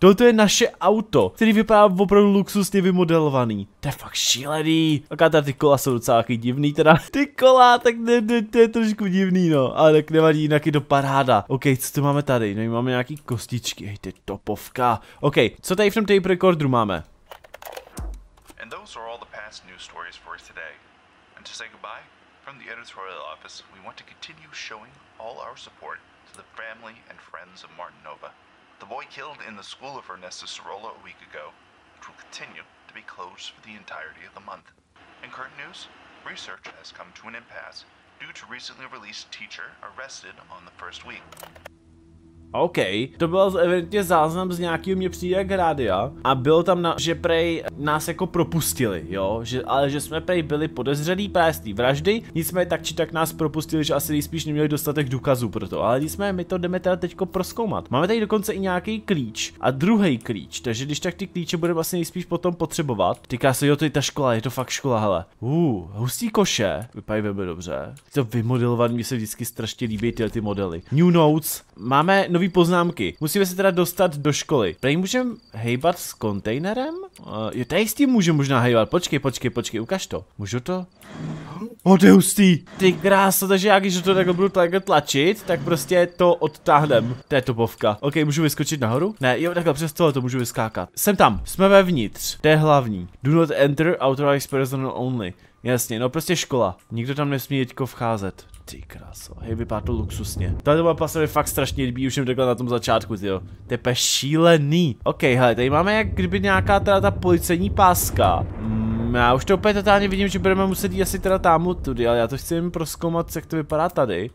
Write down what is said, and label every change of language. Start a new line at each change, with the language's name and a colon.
Czech: Toto je naše auto, který vypadá opravdu luxusně vymodelovaný. To je fakt šílený. Taká teda ty kola jsou docela taky divný teda. Ty kola, tak to je trošku divný, no. Ale tak nevadí, jinak je to paráda. OK, co tu máme tady? No, máme nějaký kostičky, hej, ty topovka. OK, co tady v tom tape recordru máme?
English: And those are all the past news stories for us today. And to say goodbye from the editorial office, we want to continue showing all our support to the family and friends of Martin Nova. The boy killed in the school of Ernesto Cirolo a week ago. It will continue. Be closed for the entirety of the month. In current news, research has come to an impasse due to recently released teacher arrested on the first week.
Czech: OK, to byl evidentně záznam z nějakého mě přijde jak rádia a bylo tam, že prej nás jako propustili, jo, ale že jsme prej byli podezřelí právě z té vraždy, nicméně tak či tak nás propustili, že asi nejspíš neměli dostatek důkazů pro to, ale nicméně my to jdeme teda teďko prozkoumat. Máme tady dokonce i nějaký klíč a druhý klíč, takže když tak ty klíče budeme asi nejspíš potom potřebovat. Týká se, jo, to je ta škola, je to fakt škola, hele. Hustý koše, vypadají velmi dobře. To vymodelované, mi se vždycky strašně líbí tyhle ty modely.
English: New notes,
Czech: máme nový poznámky. Musíme se teda dostat do školy. Prej můžeme hejbat s kontejnerem? Jo, tady s tím můžu možná hejbat. Počkej, ukaž to. Můžu to? Oh, to je hustý. Ty krása, takže já když to takhle budu takhle tlačit, tak prostě to odtáhnem. To je topovka. Ok, můžu vyskočit nahoru? Ne, jo, takhle přes tohle to můžu vyskákat. Jsem tam, jsme vevnitř, to je hlavní.
English: Do not enter, authorized personnel only.
Czech: Jasně, no prostě škola. Nikdo tam nesmí teďko vcházet. Ty kráso, hej, vypadá to luxusně. Tato mapa se mi fakt strašně líbí, už jsem takhle na tom začátku, tyjo. To je šílený. Ok, hele, tady máme jak kdyby nějaká teda ta policejní páska. Já už to úplně totálně vidím, že budeme muset jít asi teda tamu tudy, ale já to chci jen proskoumat, jak to vypadá tady.